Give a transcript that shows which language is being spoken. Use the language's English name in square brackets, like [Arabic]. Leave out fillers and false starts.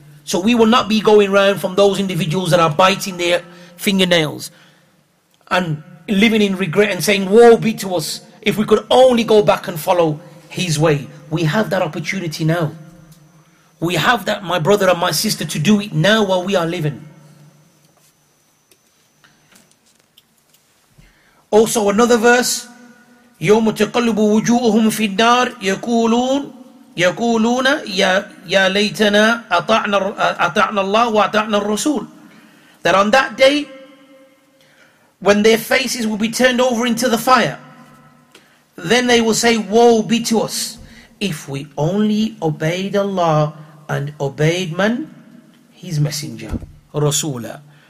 [English] So we will not be going around from those individuals that are biting their fingernails and living in regret and saying, "Woe be to us if we could only go back and follow his way." We have that opportunity now. We have that, my brother and my sister, to do it now while we are living. Also another verse, [Arabic] يَوْمُ تَقَلُّبُ وُجُوهُمْ فِي النَّارِ يَقُولُونَ يَا لَيْتَنَا أَطَعْنَا اللَّهُ وَأَطَعْنَا الرَّسُولُ. [English] That on that day, when their faces will be turned over into the fire, then they will say, "Woe be to us if we only obeyed Allah and obeyed man, his messenger, Rasulah."